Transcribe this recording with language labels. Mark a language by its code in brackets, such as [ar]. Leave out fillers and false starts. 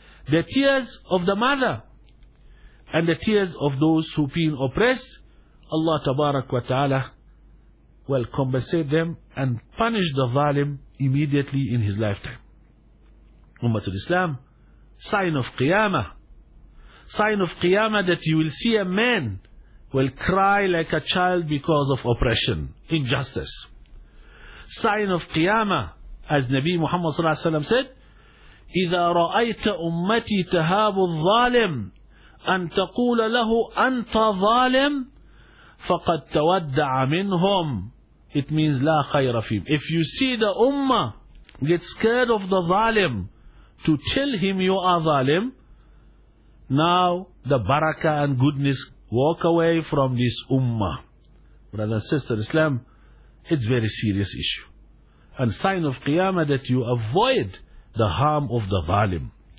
[en] The tears of the mother and the tears of those who been oppressed, Allah tabarak wa ta'ala will compensate them and punish the zalim immediately in his lifetime. Ummatul Islam, sign of qiyamah. Sign of qiyamah that you will see a man will cry like a child because of oppression, injustice. Sign of qiyamah, as Nabi Muhammad sallallahu alaihi wasallam said, [ar] إِذَا رَأَيْتَ أُمَّتِي تَهَابُ الظَّالِمِ أَن تَقُولَ لَهُ أَنْتَ ظَالِمٌ فَقَدْ تَوَدَّعَ مِنْهُمْ. [en] It means [ar] لا خَيْرَ فِيهِمْ. [en] If you see the ummah get scared of the zalim to tell him you are zalim, now the barakah and goodness walk away from this ummah. Brother and sister Islam, it's a very serious issue. And sign of qiyamah that you avoid the harm of the zalim.